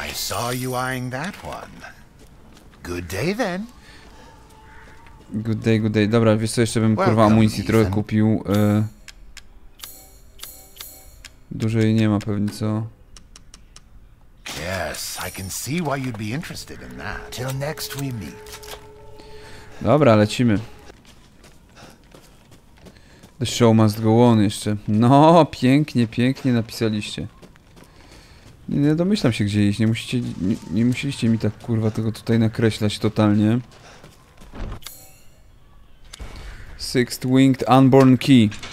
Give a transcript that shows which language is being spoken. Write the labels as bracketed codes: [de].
[en] I saw you eyeing that one. Good day then. Good day, good day. [pl] Dobra, wiesz co, jeszcze bym, kurwa, amunicji trochę kupił. Dużo jej nie ma pewnie, co? [en] Yes, I can see why you'd be interested in that. Till next we meet. [pl] Dobra, lecimy. [en] The show must go on [pl] jeszcze. No, pięknie, pięknie napisaliście. Nie domyślam się, gdzie iść. Nie musieliście mi tak, kurwa, tego tutaj nakreślać totalnie. [en] Sixth Winged Unborn Key.